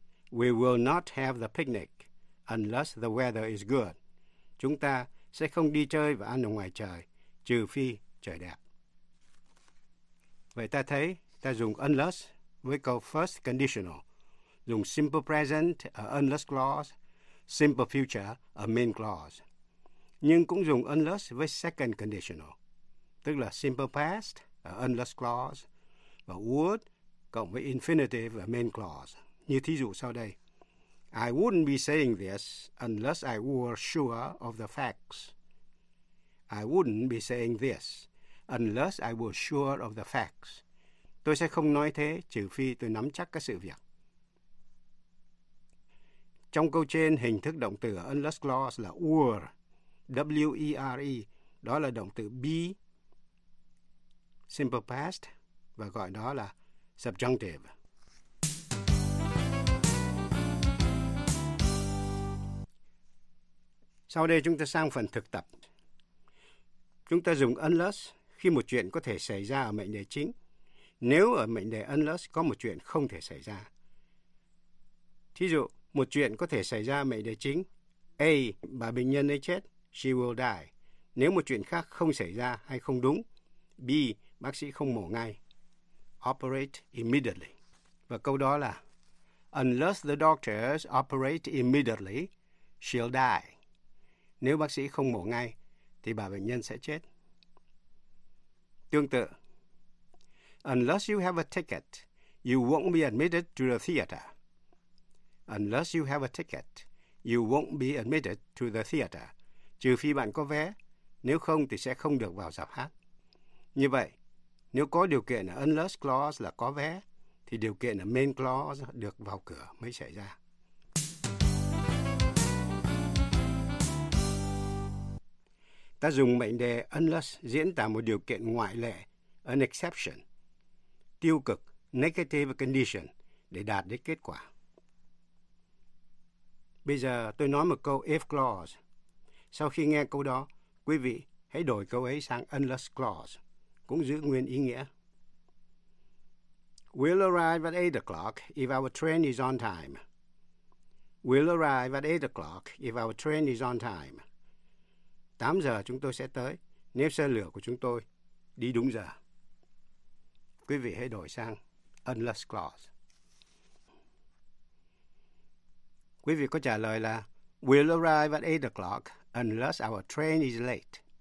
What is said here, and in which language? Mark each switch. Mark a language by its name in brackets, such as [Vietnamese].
[English] We will not have the picnic unless the weather is good. [Vietnamese] Chúng ta sẽ không đi chơi và ăn ở ngoài trời trừ phi trời đẹp. Vậy ta thấy ta dùng endless với câu first conditional, dùng simple present ở endless clause, simple future ở main clause, nhưng cũng dùng endless với second conditional, tức là simple past ở endless clause và would cộng với infinitive ở main clause. Như thí dụ sau đây: [English] I wouldn't be saying this unless I were sure of the facts. I wouldn't be saying this unless I were sure of the facts. [Vietnamese] Tôi sẽ không nói thế trừ phi tôi nắm chắc cái sự việc. Trong câu trên, hình thức động từ ở unless clause là were, W-E-R-E, đó là động từ be, simple past, và gọi đó là subjunctive. Sau đây chúng ta sang phần thực tập. Chúng ta dùng endless khi một chuyện có thể xảy ra ở mệnh đề chính, nếu ở mệnh đề endless có một chuyện không thể xảy ra. Thí dụ, một chuyện có thể xảy ra ở mệnh đề chính: A, bà bệnh nhân ấy chết, [English] she will die, [Vietnamese] nếu một chuyện khác không xảy ra hay không đúng. B, bác sĩ không mổ ngay, [English] operate immediately. [Vietnamese] Và câu đó là: [English] Unless the doctors operate immediately, she'll die. [Vietnamese] Nếu bác sĩ không mổ ngay, thì bà bệnh nhân sẽ chết. Tương tự: [English] Unless you have a ticket, you won't be admitted to the theater. Unless you have a ticket, you won't be admitted to the theater. [Vietnamese] Trừ phi bạn có vé, nếu không thì sẽ không được vào rạp hát. Như vậy, nếu có điều kiện ở unless clause là có vé, thì điều kiện ở main clause được vào cửa mới xảy ra. Ta dùng mệnh đề unless diễn tả một điều kiện ngoại lệ, [English] an exception, [Vietnamese] tiêu cực, [English] negative condition, [Vietnamese] để đạt đến kết quả. Bây giờ tôi nói một câu if clause. Sau khi nghe câu đó, quý vị hãy đổi câu ấy sang unless clause, cũng giữ nguyên ý nghĩa. [English] We'll arrive at 8 o'clock if our train is on time. We'll arrive at 8 o'clock if our train is on time. [Vietnamese] 8 giờ chúng tôi sẽ tới nếu xe lửa của chúng tôi đi đúng giờ. Quý vị hãy đổi sang unless clause. Quý vị có trả lời là [English] we'll arrive at 8 o'clock unless our train is late.